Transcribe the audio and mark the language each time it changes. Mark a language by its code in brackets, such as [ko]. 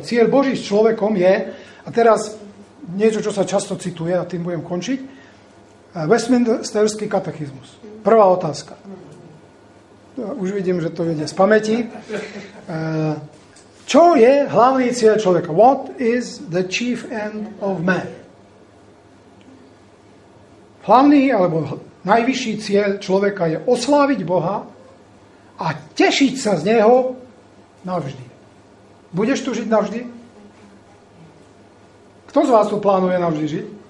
[sk] Cieľ Boží s človekom je, a teraz niečo, čo sa často cituje, a tým budem končiť, Westminsterský katechizmus. Prvá otázka. Už vidím, že to vedie z pamäti. Čo je hlavný cieľ človeka? [en] What is the chief end of man? [sk] Hlavný alebo najvyšší cieľ človeka je osláviť Boha a tešiť sa z neho navždy. Budeš tu žiť navždy? Kto z vás tu plánuje navždy žiť?